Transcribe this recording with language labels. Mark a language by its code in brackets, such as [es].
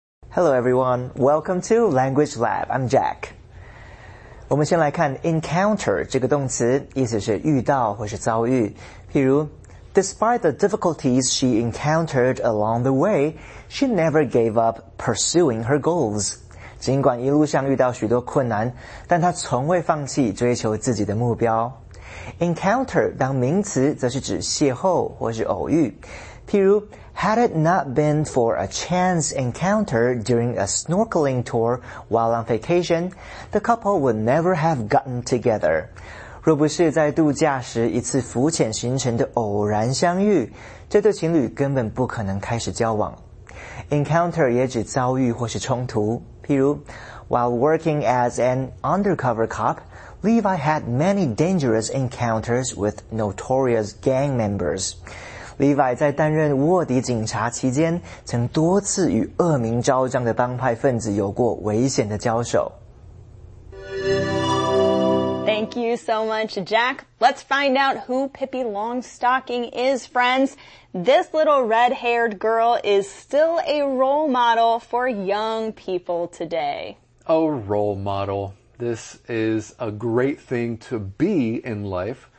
[en] Hello everyone, welcome to Language Lab, I'm Jack. [zh] 我们先来看 encounter 这个动词，意思是遇到或是遭遇。 [en] 譬如 Despite the difficulties she encountered along the way, she never gave up pursuing her goals. [zh] 尽管一路上遇到许多困难，但她从未放弃追求自己的目标。 Encounter 当名词则是指邂逅或是偶遇。 [en] 譬如Had it not been for a chance encounter during a snorkeling tour while on vacation, the couple would never have gotten together. [zh] 若不是在度假时一次浮潜行程的偶然相遇，这对情侣根本不可能开始交往。 [en] Encounter [zh] 也指遭遇或是冲突。譬如 [en] While working as an undercover cop, Levi had many dangerous encounters with notorious gang members. [zh] Levi 在担任卧底警察期间，曾多次与恶名昭彰的帮派分子有过危险的交手。 [en] Thank you so much, Jack. Let's find out who Pippi Longstocking is, friends. This little red-haired girl is still a role model for young people today. A role model. This is a great thing to be in life.